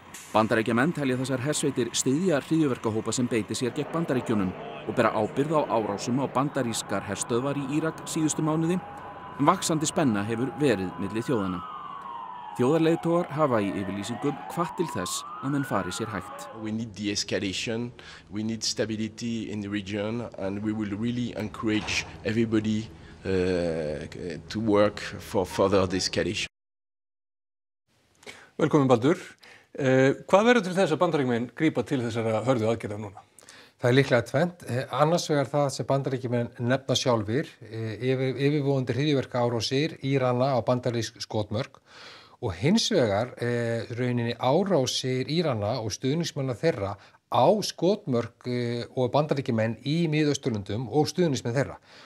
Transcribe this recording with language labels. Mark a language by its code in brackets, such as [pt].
[is] Bandaríkjamenn telja þessar hersveitir styðja hryðjuverkahópa sem beiti sér gegn Bandaríkjunum og bera ábyrgð á árásum á bandarískar herstöðvar í Írak síðustu mánuði. Vaxandi spenna hefur verið milli þjóðanna. Þjóðarleiðtogar hafa í yfirlýsingum hvatt til þess að menn fari sér hægt. [en] We need de-escalation, we need stability in the region and we will really encourage everybody to work for further de-escalation. [is] Velkomin Baldur. Hvað verður til þess að Bandaríkjamenn grípa til þessara hörðu aðgerða núna? Það líklega tvennt. Annars vegar það sem Bandaríkjamenn nefna sjálfir, yfirvofandi hryðjuverka árásir Írana á bandarísk skotmörk. Og hins vegar rauninni árásir Írana og stuðningsmanna þeirra á skotmörk og bandaríkjamenn í Miðausturlöndum og stuðningsmenn þeirra.